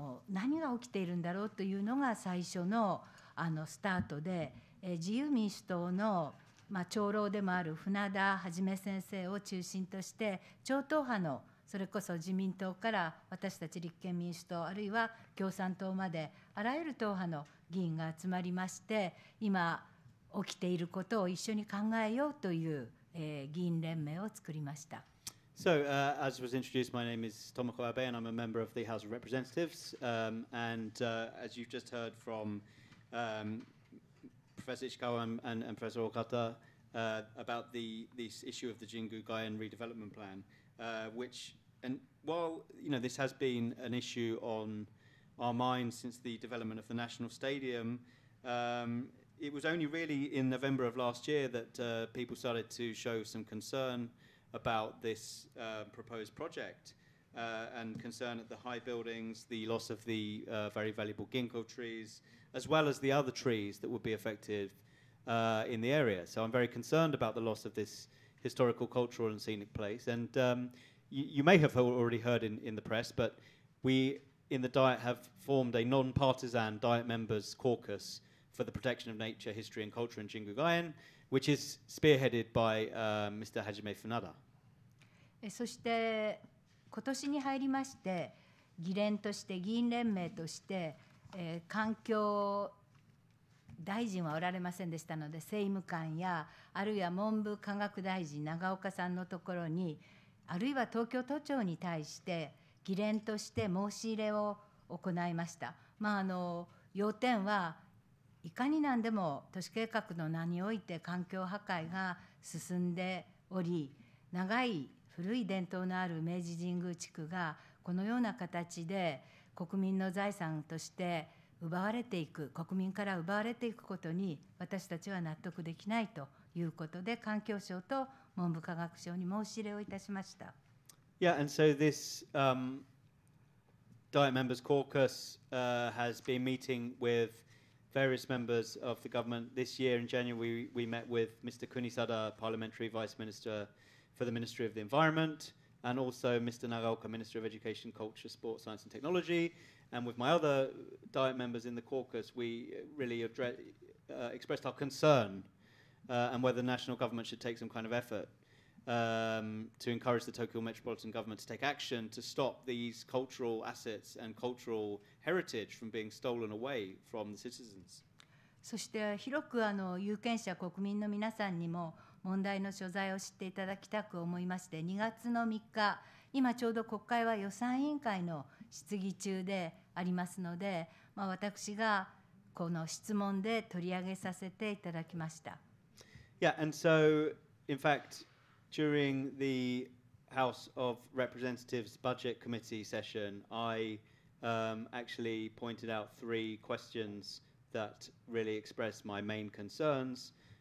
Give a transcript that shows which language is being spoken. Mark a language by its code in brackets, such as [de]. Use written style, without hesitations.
[ja] 何が起きているんだろうというのが最初 のスタートで、自由民主党のまあ長老でもある船田はじめ先生を中心として超党派のそれこそ自民党から私たち立憲民主党あるいは共産党まであらゆる党派の議員が集まりまして、今起きていることを一緒に考えようという議員連盟を作りました。 [en] So, as was introduced, my name is Tomoko Abe and I'm a member of the House of Representatives. As you've just heard from Professor Ishikawa and Professor Ohkata about this issue of the Jingu Gaien redevelopment plan. Which, and while you know, this has been an issue on our minds since the development of the National Stadium, it was only really in November of last year that people started to show some concern about this proposed project. and concern at the high buildings, the loss of the very valuable ginkgo trees, as well as the other trees that would be affected in the area. So I'm very concerned about the loss of this historical, cultural, and scenic place. And you may have already heard in the press, but we in the Diet have formed a non-partisan Diet Members Caucus for the Protection of Nature, History, and Culture in Jingu Gaien, which is spearheaded by Mr. Hajime Funada. [ja] そして今年に入りまして議連として議員連盟として環境大臣はおられませんでしたので政務官やあるいは文部科学大臣長岡さんのところにあるいは東京都庁に対して議連として申し入れを行いました。まあ要点はいかになんでも都市計画の名において環境破壊が進んでおり長い古い伝統のある明治神宮地区がこのような形で国民の財産として奪われていく国民から奪われていくことに私たちは納得できないということで環境省と文部科学省に申し入れをいたしました。 [en] Yeah, and so this Diet Members Caucus has been meeting with various members of the government. This year in January we met with Mr. Kunisada, Parliamentary Vice Ministerfor the Ministry of the Environment, and also Mr. Nagaoka, Minister of Education, Culture, Sport, Science and Technology. And with my other Diet members in the caucus, we really expressed our concern and whether the national government should take some kind of effort to encourage the Tokyo Metropolitan Government to take action to stop these cultural assets and cultural heritage from being stolen away from the citizens. [ja] そして広く有権者、国民の皆さんにも問題の所在を知っていただきたく思いまして、2月の3日、今ちょうど国会は予算委員会の質疑中でありますので、まあ、私がこの質問で取り上げさせていただきました。 [en] Yeah, and so, in fact, during the House of Representatives Budget Committee session, I actually pointed out three questions that really expressed my main concerns.